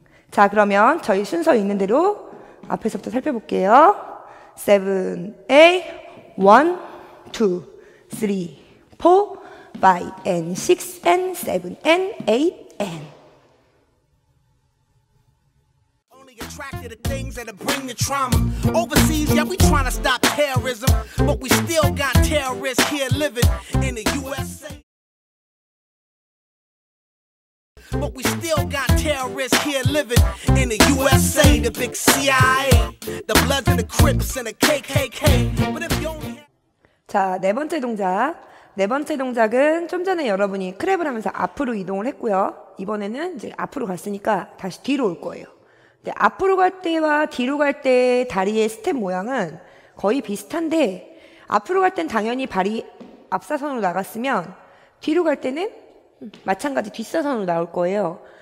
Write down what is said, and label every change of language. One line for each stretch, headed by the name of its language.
Korean: 자 그러면 저희 순서 있는 대로 앞에서부터 살펴볼게요 7, 8, 1, 2, 3, 4, 5, and 6, and 7, and 8, and
English: attracted to things that'll bring the trauma. Overseas, yeah, we trying to stop terrorism, but we still got terrorists here living in the USA. But we still got terrorists here living in the USA. The big CIA, the Bloods and the Crips and the KKK. But if you only have...
Korean: 자, 네 번째 동작. 네 번째 동작은 좀 전에 여러분이 크랩을 하면서 앞으로 이동을 했고요. 이번에는 이제 앞으로 갔으니까 다시 뒤로 올 거예요. 근데 앞으로 갈 때와 뒤로 갈 때 다리의 스텝 모양은 거의 비슷한데 앞으로 갈 땐 당연히 발이 앞사선으로 나갔으면 뒤로 갈 때는 마찬가지 뒷사선으로 나올 거예요.